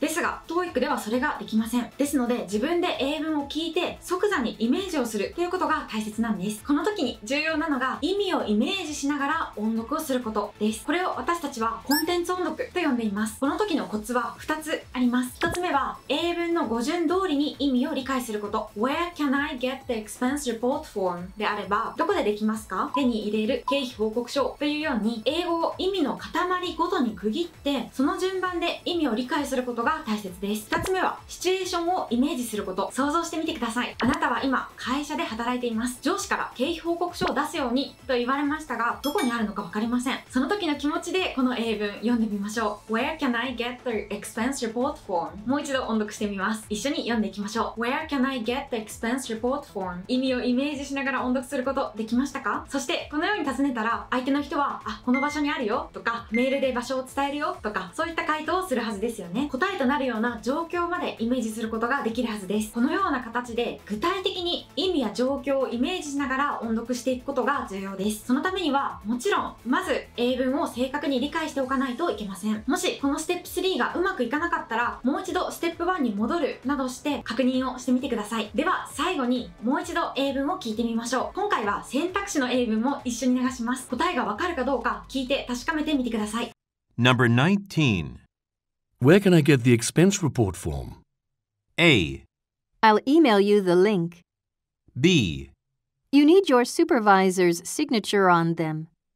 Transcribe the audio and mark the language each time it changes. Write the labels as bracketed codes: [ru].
[ja] ですが TOEIC ではそれができません。ですので自分で英文を聞いて即座にイメージをするということが大切なんです。この時に重要なのが意味をイメージしながら音読をすることです。これを私たちはコンテンツ音読と呼んでいます。この時のコツは2つあります。 1つ目は英文の語順通りに意味を理解すること。 [en] Where can I get the expense report form? [ja] であればどこでできますか、手に入れる経費報告書というように、英語を意味の塊ごとに区切ってその順番で意味を理解することが大切です。2つ目はシチュエーションをイメージすること。想像してみてください。あなたは今会社で働いています。上司から経費報告書を出すようにと言われましたが、どこにあるのか分かりません。その時の気持ちでこの英文読んでみましょう。 [en] Where can I get the expense report form? [ja] もう一度音読してみます。一緒に読んでいきましょう。 [en] Where can I get the expense report form? [ja] 意味をイメージしながら音読することできましたか？そしてこのように尋ねたら相手の人は、あ、この場所にあるよとか、メールで場所を伝えるよとか、そういった回答をするはずですよね。答えとなるような状況までイメージすることができるはずです。このような形で具体的に意味や状況をイメージしながら音読していくことが重要です。そのためにはもちろんまず英文を正確に理解しておかないといけません。もしこのステップ3がうまくいかなかったら、もう一度ステップ1に戻るなどして確認をしてみてください。では最後にもう一度英文を聞いてみましょう。今回は選択肢の英文も一緒に流します。答えがわかるかどうか聞いて確かめてみてください。 [en] Number 19. Where can I get the expense report form? A. I'll email you the link. B. You need your supervisor's signature on them.